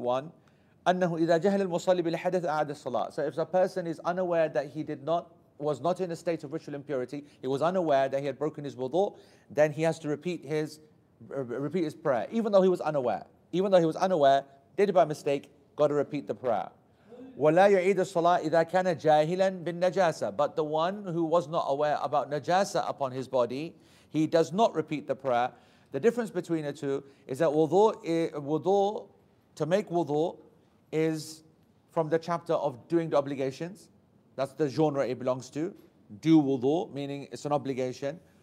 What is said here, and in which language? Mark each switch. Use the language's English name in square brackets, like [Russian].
[Arabic] One, أنه إذا جهل المصلي بالحدث أعاد الصلاة. [English] So if a person is unaware that he was not in a state of ritual impurity, he was unaware that he had broken his wudu, then he has to repeat his prayer, even though he was unaware, did it by mistake, got to repeat the prayer. [Arabic] ولا يعيد الصلاة إذا كان جاهلا بالنجاسة. [English] But the one who was not aware about najasa upon his body, he does not repeat the prayer. The difference between the two is that wudu, to make wudu, is from the chapter of doing the obligations. That's the genre it belongs to. Do wudu, meaning it's an obligation.